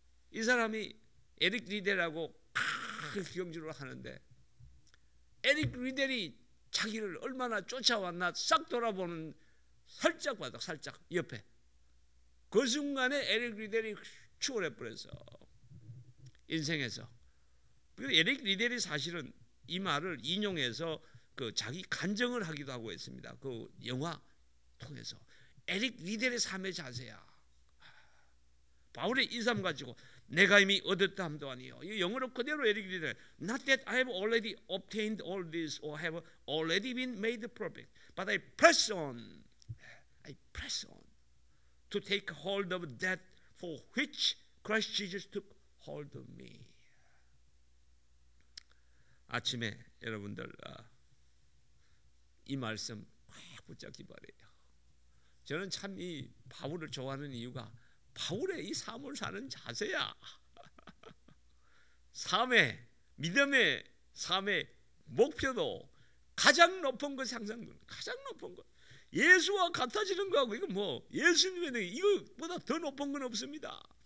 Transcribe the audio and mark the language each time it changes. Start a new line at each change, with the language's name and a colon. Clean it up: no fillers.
Korean: 이 사람이 에릭 리델하고 경주를 하는데 에릭 리델이 자기를 얼마나 쫓아왔나 싹 돌아보는 살짝 봐도 살짝 옆에 그 순간에 에릭 리델이 추월해버렸어 인생에서. 에릭 리델이 사실은 이 말을 인용해서 그 자기 간증을 하기도 하고 했습니다. 그 영화 통해서 에릭 리델의 삶의 자세야. 바울의 이 삶 가지고 내가 이미 얻었다 함도 아니요. 영어로 그대로 에릭 리델
English: Not that I have already obtained all this or have already been made perfect but I press on to take hold of that for which Christ Jesus took hold of me.
Korean: 아침에 여러분들 이 말씀 꽉 붙잡기 바래요. 저는 참 이 바울을 좋아하는 이유가 바울의 이 삶을 사는 자세야. 삶의 믿음의 삶의 목표도 가장 높은 것 상상도 가장 높은 것 예수와 같아지는 거하고 이거 뭐 예수님의 이거보다 더 높은 건 없습니다.